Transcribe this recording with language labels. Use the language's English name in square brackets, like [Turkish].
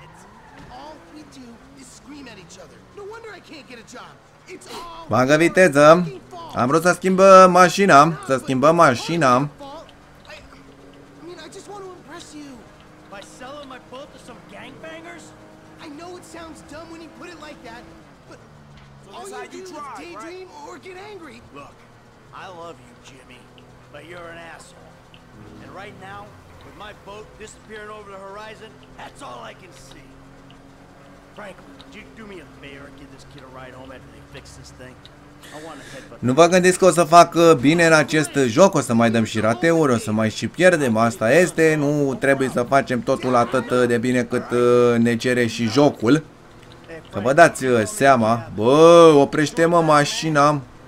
[English] It's all we do is scream at each other. No wonder I can't get a job. It's all [Romanian] Bagă viteză. Am vrut să schimbă mașina, să schimbăm mașina. [English] I mean, I just want to impress you. By selling my boat to some gangbangers? I know it sounds dumb when you put it like that, but all you do is daydream or get angry. Look, I love you, Jimmy, but you're an asshole. And right now, with my boat disappearing over the horizon, that's all I can see. Franklin, do, do me a favor and give this kid a ride home after they fix this thing. [Romanian] Nu vă gândiți că o să fac bine în acest joc, o să mai dăm și rateuri, o să mai și pierdem, asta este, nu trebuie să facem totul atât de bine cât ne cere și jocul. Să vă dați seama, bă, oprește-mă mașina.